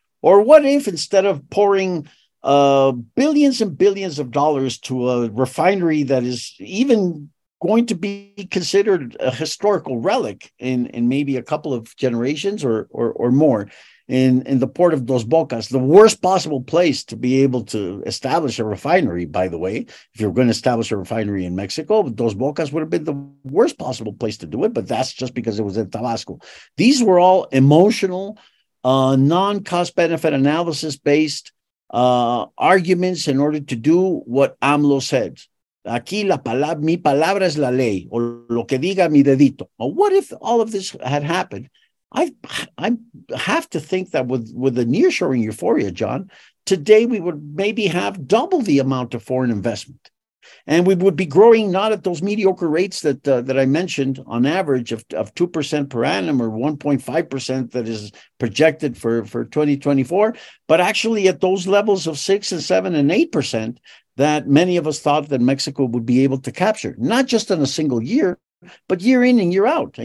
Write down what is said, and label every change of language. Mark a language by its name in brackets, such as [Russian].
[English] Or what if instead of pouring billions and billions of dollars to a refinery that is even going to be considered a historical relic in maybe a couple of generations or more in the port of Dos Bocas, the worst possible place to be able to establish a refinery, by the way, if you're going to establish a refinery in Mexico, Dos Bocas would have been the worst possible place to do it, but that's just because it was in Tabasco. These were all emotional, non-cost-benefit analysis-based arguments in order to do what AMLO said. [Spanish] Aquí la palabra, mi palabra es la ley, o lo que diga mi dedito. [English] Well, what if all of this had happened? I have to think that with the nearshoring euphoria, John, today we would maybe have double the amount of foreign investment. And we would be growing not at those mediocre rates that I mentioned on average of 2% per annum or 1.5% that is projected for 2024, but actually at those levels of 6 and 7 and 8% that many of us thought that Mexico would be able to capture, not just in a single year, but year in and year out.